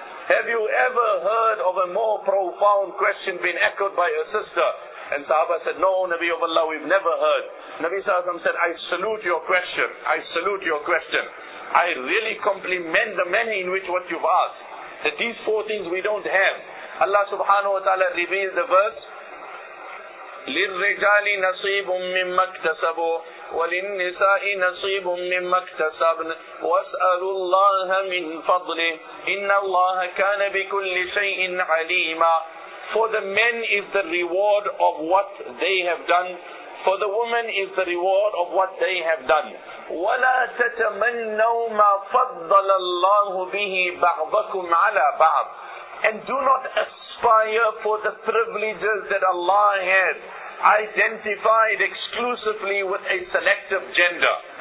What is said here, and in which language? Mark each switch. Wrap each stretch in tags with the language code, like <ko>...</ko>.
<en>Have you ever heard of a more profound question being echoed by her sister? And Sahaba said, no, Nabi of Allah, we've never heard. Nabi sallallahu alayhi wa sallam said, I salute your question. I really compliment the manner in which what you've asked. That these 4 things we don't have. Allah subhanahu wa ta'ala reveals the verse,</en> <ar>لِلْرِجَالِ نَصِيبٌ مِّمَّا اكْتَسَبُوا وَلِلنِّسَاءِ نَصِيبٌ مِّمَّا اكْتَسَبْنَ وَاسْأَلُوا اللَّهَ مِنْ فَضْلِهِ إِنَّ اللَّهَ كَانَ بِكُلِّ شَيْءٍ عَلِيمًا.</ar> <en>For the men is the reward of what they have done. For the woman is the reward of what they have done.</en> <ar>وَلَا تَتَمَنَّوْا مَا فَضَّلَ اللَّهُ بِهِ بَعْضَكُمْ عَلَى بَعْضٍ.</ar> <en>And do not aspire for the privileges that Allah has identified exclusively with a selective gender.</en>